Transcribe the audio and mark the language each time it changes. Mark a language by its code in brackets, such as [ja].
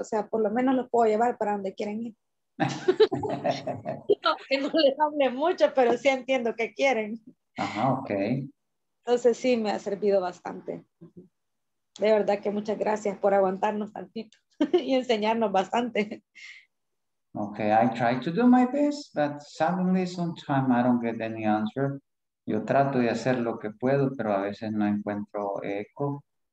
[es] O sea, por lo menos los puedo llevar para donde quieren ir. No, que no les hable mucho, pero sí entiendo que quieren. Ajá, ok. Entonces sí me ha servido bastante. De verdad que muchas gracias por aguantarnos tantito y enseñarnos bastante. [en] Okay, I try to do my best, but suddenly sometimes I don't get any answer. [es] Yo trato de hacer lo que puedo, pero a veces no encuentro eco.